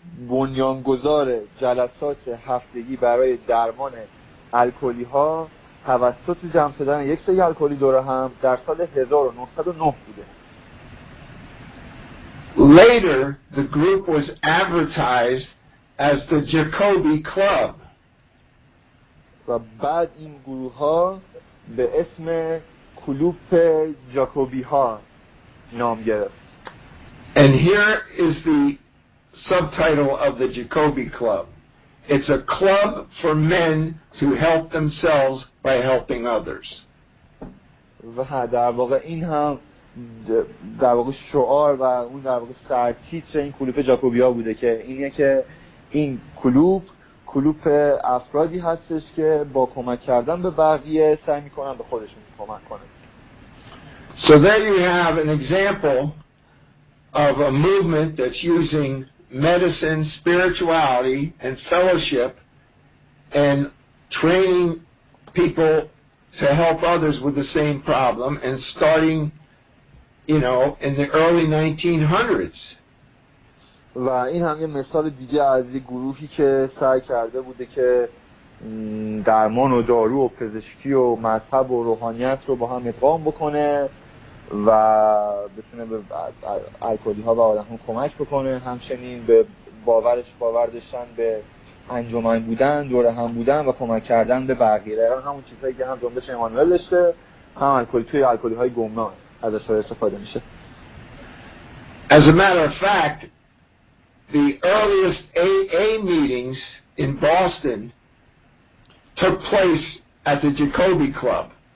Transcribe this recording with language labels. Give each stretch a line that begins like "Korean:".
Persian: بنیانگذار جلسات هفتگی برای درمان الکلی‌ها توسط جمع شدن یک سری الکلی دور هم در سال 1909 بوده.
English: Later, the group was advertised as the Jacobi Club.
Persian: و بعد این گروه ها به اسم کلوپ جاکوبی ها نام گرفت.
English: And here is the subtitle of the Jacobi Club. It's a club for men to help themselves by helping others.
Persian: و در واقع این هم در واقع شعار و اون در واقع سرتیتر این کلوپ جاکوبی ها بوده که اینه که این کلوپ افرادی هستش که با کمک کردن به بقیه سعی میکنن به خودشون کمک کنن.
English: So there you have an example of a movement that's using medicine, spirituality and fellowship and training people to help others with the same problem and starting, you know, in the early 1900s.
Persian: و این هم یه مثال دیگه از یه گروهی که سعی کرده بوده که درمان و دارو و پزشکی و مذهب و روحانیت رو با هم ادغام بکنه و بتونه به الکلی‌ها و آدم‌هاشون کمک بکنه، همچنین به باور داشتن به انجمن بودن، دور هم بودن و کمک کردن به بقیه. الان همون چیزایی که هم جنبش امانوئل داشته هم الکلی توی الکلی‌های گمنام ازش استفاده میشه.
English: As a matter of fact, the earliest AA meetings in Boston took place at the Jacobi Club.